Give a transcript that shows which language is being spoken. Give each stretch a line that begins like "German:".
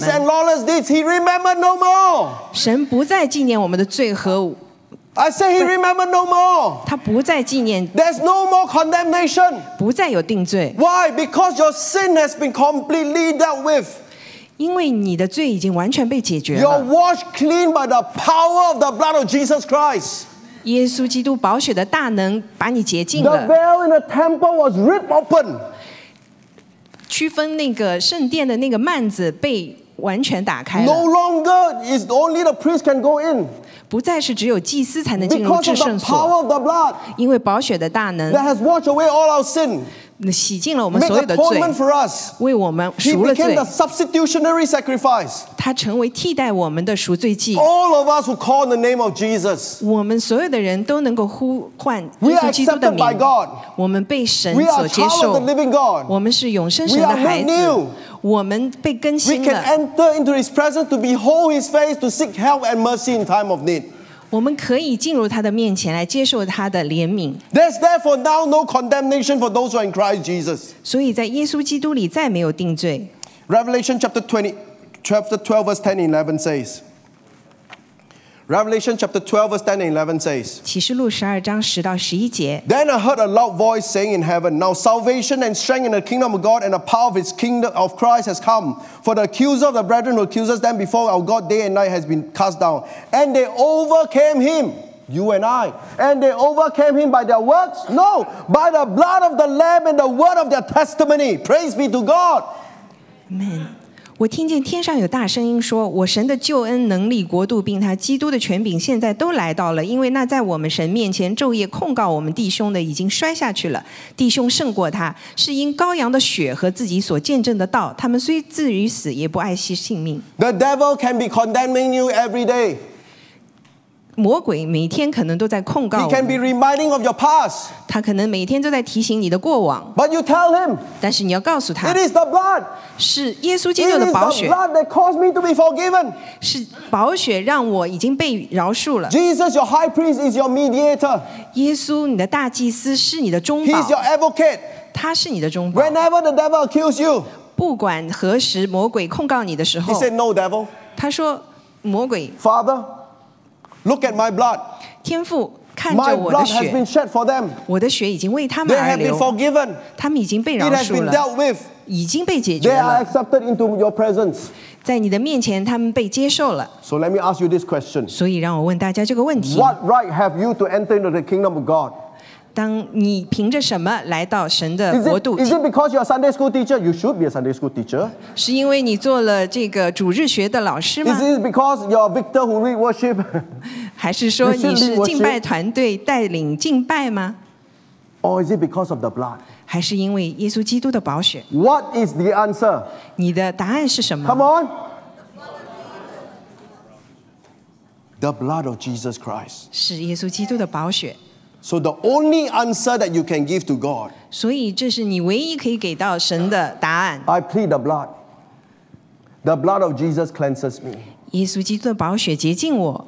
English: Our sins and lawless deeds, He remembered no more.
Chinese: 神不再纪念我们的罪和。
English: I say he remembered no more.
Chinese: 他不再纪念。
English: There's no more condemnation.
Chinese: 不再有定罪。
English: Why? Because your sin has been completely dealt with.
Chinese: 因为你的罪已经完全被解决了。
English: You're washed clean by the power of the blood of Jesus Christ.
Chinese: 耶稣基督宝血的大能把你洁净了。
English: The veil in the temple was ripped open.
Chinese: 区分那个圣殿的那个幔子被完全打开了。
English: No longer is only the priest can go in.
Chinese: 不再是只有祭司才能进入至圣所，因为宝血的大能，
English: that has washed away all our sin,
Chinese: 洗净了我们所有的罪，
English: for us,
Chinese: 为我们赎了罪。
English: He became the substitutionary sacrifice.
Chinese: 他成为替代我们的赎罪祭。
English: All of us who call the name of Jesus,
Chinese: 我们所有的人都能够呼唤耶稣基督的名。
English: We are accepted by God.
Chinese: 我们被神所接受。
English: We are child of the living God.
Chinese: 我们是永生神的孩子。我们被更新了。
English: We can enter into His presence to behold His face, to seek help and mercy in time of need.
Chinese: 我们可以进入他的面前来接受他的怜悯。
English: There's therefore now no condemnation for those who are in Christ Jesus.
Chinese: 所以在耶稣基督里再没有定罪。
English: Revelation chapter 20, chapter 12, verse 10 and 11 says. Revelation chapter 12, verse 10 and 11 says.
Chinese: 启示录十二章十到十一节。
English: Then I heard a loud voice saying in heaven, "Now salvation and strength in the kingdom of God and the power of His kingdom of Christ has come. For the accuser of the brethren who accuses them before our God day and night has been cast down. And they overcame him, you and I. And they overcame him by their works? No, by the blood of the Lamb and the word of their testimony. Praise be to God." Amen.
Chinese: 我听见天上有大声音说，我神的救恩能力国度并他基督的权柄现在都来到了，因为那在我们神面前昼夜控告我们弟兄的已经摔下去了，弟兄胜过他是因羔羊的血和自己所见证的道，他们虽至于死也不爱惜性命。
English: The devil can be condemning you every day.
Chinese: 魔鬼每天可能都在控告我们。
English: He can be reminding of your past.
Chinese: 他可能每天都在提醒你的过往。
English: But you tell him.
Chinese: 但是你要告诉他。
English: It is the blood.
Chinese: 是耶稣基督的宝血。
English: It is the blood that caused me to be forgiven.
Chinese: 是宝血让我已经被饶恕了。
English: Jesus, your high priest, is your mediator.
Chinese: 耶稣，你的大祭司是你的中保。
English: He is your advocate.
Chinese: 他是你的中保。
English: Whenever the devil accuses you,
Chinese: 不管何时魔鬼控告你的时候
English: ，He said, "No, devil."
Chinese: 他说，魔鬼。
English: Father, look at my blood.
Chinese: 天父。
English: My blood has been shed for them.
Chinese: 我的血已经为他们而流。
English: They have been forgiven.
Chinese: 他们已经被饶恕了。
English: It has been dealt with.
Chinese: 已经被解决了。
English: They are accepted into your presence.
Chinese: 在你的面前，他们被接受了。
English: So let me ask you this question.
Chinese: 所以让我问大家这个问题。
English: What right have you to enter into the kingdom of God?
Chinese: 当你凭着什么来到神的国度？
English: Is it because you're a Sunday school teacher? You should be a Sunday school teacher.
Chinese: 是因为你做了这个主日学的老师吗？
English: Is it because you're a victor who lead worship?
Chinese: 还是说你是敬拜团队带领敬拜吗？
English: Or is it because of the blood?
Chinese: 还是因为耶稣基督的宝血？
English: What is the answer?
Chinese: 你的答案是什么？
English: Come on. The blood of Jesus Christ.
Chinese: 是耶稣基督的宝血。
English: So the only answer that you can give to God.
Chinese: 所以这是你唯一可以给到神的答案。
English: I plead the blood. The blood of Jesus cleanses me.
Chinese: 耶稣基督的宝血洁净我。